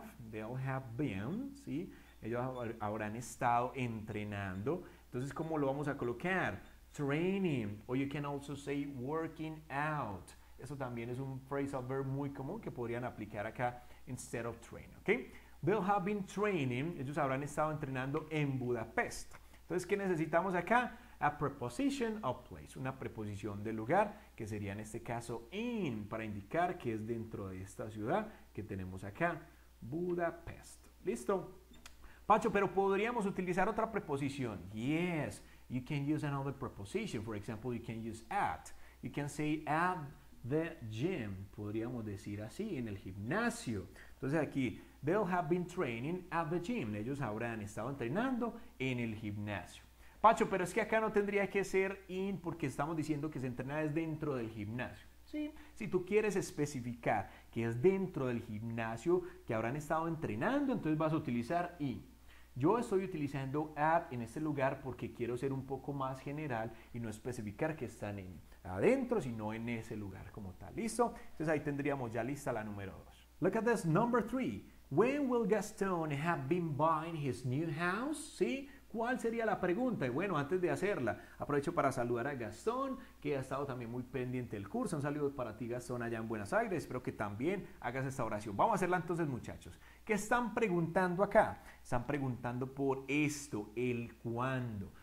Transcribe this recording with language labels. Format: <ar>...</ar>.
<en>They'll have been,</en> <es>¿sí? Ellos habrán estado entrenando. Entonces, ¿cómo lo vamos a colocar?</es> <en>Training, or you can also say working out.</en> <es>Eso también es un phrasal verb muy común que podrían aplicar acá</es> <en>instead of training,</en> <es>¿okay?</es> <en>They'll have been training,</en> <es>ellos habrán estado entrenando en Budapest. Entonces, ¿qué necesitamos acá?</es> <en>A preposition of place,</en> <es>una preposición de lugar, que sería en este caso in, para indicar que es dentro de esta ciudad que tenemos acá, Budapest. ¿Listo? Pacho, pero podríamos utilizar otra preposición.</es> <en>Yes, you can use another preposition. For example, you can use at. You can say at the gym,</en> <es>podríamos decir así, en el gimnasio. Entonces aquí,</es> <en>they'll have been training at the gym.</en> <es>Ellos habrán estado entrenando en el gimnasio. Pacho, pero es que acá no tendría que ser in porque estamos diciendo que se entrena es dentro del gimnasio. ¿Sí? Si tú quieres especificar que es dentro del gimnasio que habrán estado entrenando, entonces vas a utilizar in. Yo estoy utilizando at en este lugar porque quiero ser un poco más general y no especificar que están en adentro, sino en ese lugar como tal. ¿Listo? Entonces ahí tendríamos ya lista la número 2.</es> <en>Look at this, number 3. When will Gaston have been buying his new house?</en> <es>¿Sí? ¿Cuál sería la pregunta? Y bueno, antes de hacerla, aprovecho para saludar a Gastón, que ha estado también muy pendiente del curso. Un saludo para ti, Gastón, allá en Buenos Aires. Espero que también hagas esta oración. Vamos a hacerla entonces, muchachos. ¿Qué están preguntando acá? Están preguntando por esto, el cuándo.</es>